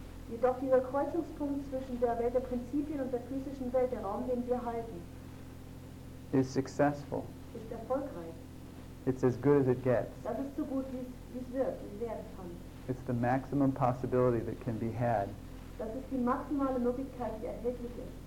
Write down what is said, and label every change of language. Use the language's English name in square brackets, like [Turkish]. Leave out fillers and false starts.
[German] Jedoch dieser Kreuzungspunkt zwischen der Welt der Prinzipien und der physischen Welt, der Raum, den wir halten, [English] is successful. [German] Ist erfolgreich. [English] It's as good as it gets. [German] Das ist so gut, wie es wird, wie es werden kann. [English] It's the maximum possibility that can be had. [German] Das ist die maximale Möglichkeit, die erhältlich ist.